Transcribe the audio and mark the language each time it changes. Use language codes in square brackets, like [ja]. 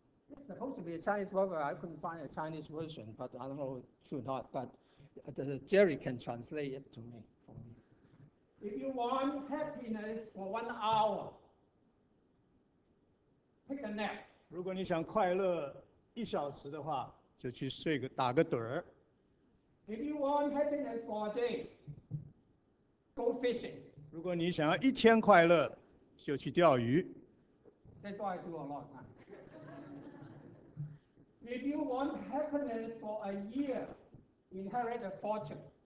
[en] It's supposed to be a Chinese proverb. I couldn't find a Chinese version, but I don't know true or not. But Jerry can translate it to me. If you want happiness for 1 hour, take a nap. [zh] 如果你想快乐一小时的话，就去睡个打个盹儿。 [en] If you want happiness for a day, go fishing. [zh] 如果你想要一天快乐，就去钓鱼。 [en] That's what I do a lot of time. If you want happiness for a year, inherit a fortune.